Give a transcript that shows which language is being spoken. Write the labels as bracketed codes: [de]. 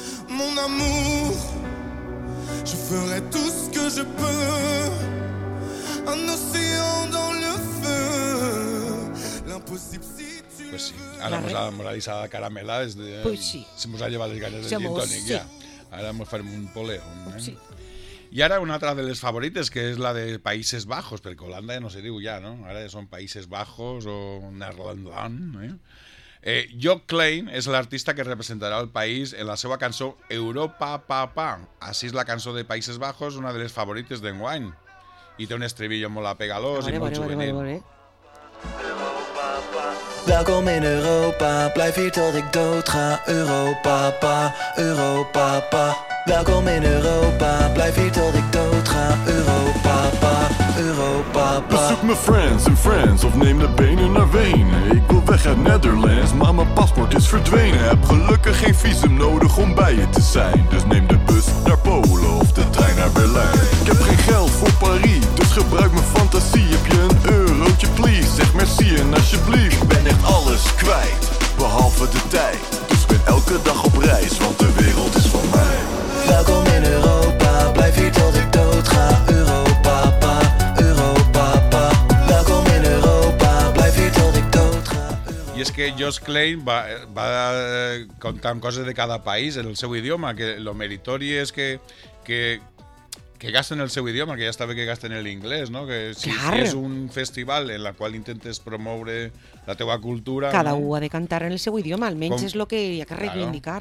[fr] Mon amour, je ferai tout ce que je peux. Un océan dans le feu, l'impossible si tu [ca] pues sí. Ara mos ha deixat la caramela des de... Pues sí. Si mos ha llevat les ganes del gin tònic, sí. Ja. Ara mos farem un poleo. Sí. I ara una altra de les favorites, que és la de Països Baixos, perquè Holanda ja no se diu ja, no? Ara ja són Països Baixos o Nederland, Jock Klein és l'artista que representarà el país en la seva cançó Europa Pa Pa. Així és la cançó de Països Baixos, una de les favorites d'enguany. I té un estribillo molt apegalós i molt juvenil. [nl] Welkom in Europa, blijf hier tot ik dood ga. Europa Pa, Europa Pa. Welkom in Europa, blijf hier tot ik dood ga. Europa Pa, Europa Pa. Bezoek me friends in France of neem de benen naar Wenen. Ik wil weg uit Netherlands, maar mijn paspoort is verdwenen. Heb gelukkig geen visum nodig om bij je te zijn. Dus neem de bus naar Polen of de trein naar Berlijn. Ik heb geen geld voor Paris, dus gebruik mijn fantasie. Heb je een eurotje please, zeg merci en alsjeblieft. Ik ben echt alles kwijt, behalve de tijd. Dus ik ben elke dag op reis, want de wereld is van mij. Welkom in Europa, blijf hier tot ik dood ga. Europa, pa, Europa, pa. Welkom in Europa, blijf hier tot ik dood ga. [ca] I és que Josh Klein va contant coses de cada país en el seu idioma, que lo meritori és que gasten el seu idioma, que ja està bé que gasten el anglès, no? Que si és un festival en la qual intentes promoure la teua cultura... Cada un ha de cantar en el seu idioma, almenys és el que hi ha que reivindicar.